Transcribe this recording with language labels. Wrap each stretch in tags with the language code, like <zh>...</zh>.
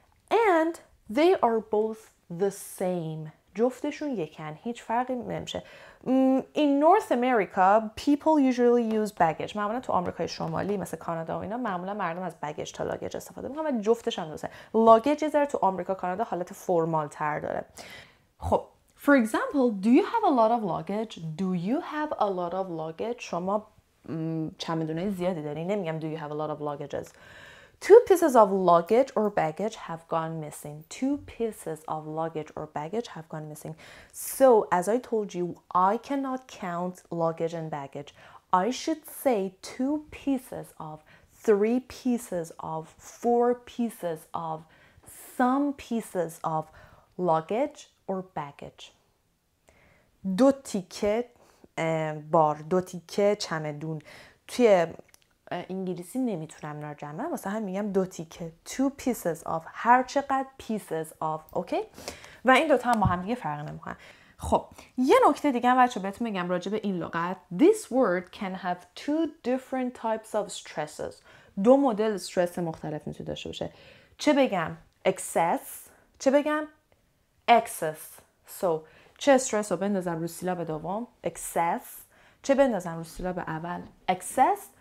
<en>And they are both the same.</en> <fa>جفتشون یکن. هیچ فرقی نمیشه.</fa> <en>In North America, people usually use baggage.</en> <fa>معمولا تو آمریکای شمالی مثل کانادا و اینا معمولا مردم از baggage تا luggage استفاده میکنن. و جفتش هم دوسته. Luggage یه تو آمریکا کانادا حالت فرمال تر داره. خب.</fa> <en>For example, do you have a lot of luggage? Do you have a lot of luggage?</en> <fa>شما چمدونای زیادی داری؟ نمیگم</fa> <en>do you have a lot of luggages. Two pieces of luggage or baggage have gone missing. Two pieces of luggage or baggage have gone missing. So, as I told you, I cannot count luggage and baggage. I should say two pieces of, three pieces of, four pieces of, some pieces of luggage or baggage.</en> <fa>دو تیکه بار، دو تیکه چمدون. توی انگلیسی نمیتونم اینا رو جمع کنم، واسه همین میگم دو تیکه،</fa> <en>two pieces of،</en> <fa>هر چقدر pieces of، اوکی؟ و این دو تا هم با هم دیگه فرق نمیکنن. خب، یه نکته دیگه هم بچه‌ها بهتون میگم راجع به این لغت.</fa> <en>This word can have two different types of stresses.</en> <fa>دو مدل استرس مختلف میتونه داشته باشه. چه بگم؟ excess، چه بگم؟ excess. So چه استرس رو بندازم رو سیلاب دوم؟ excess. چه بندازم رو سیلاب اول؟ excess.</fa>